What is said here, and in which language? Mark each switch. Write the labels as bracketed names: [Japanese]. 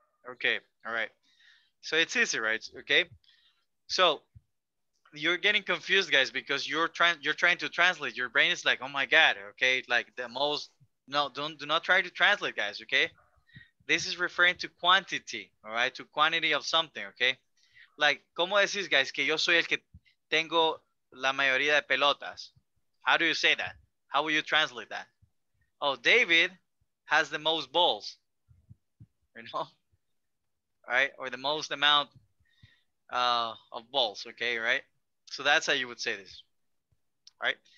[English] Okay, all right. So it's easy, right? Okay. So you're getting confused, guys, because you're trying to translate. Your brain is like, oh my God, okay? Like the most, no, do not try to translate, guys, okay? This is referring to quantity, all right? To quantity of something, okay? [Spanish] Like, ¿cómo decís, guys, que yo soy el que tengo la mayoría de pelotas? [English] How do you say that? How will you translate that? Oh, David has the most balls, you know? Right? Or the most amount of balls, okay, right? So that's how you would say this, all right?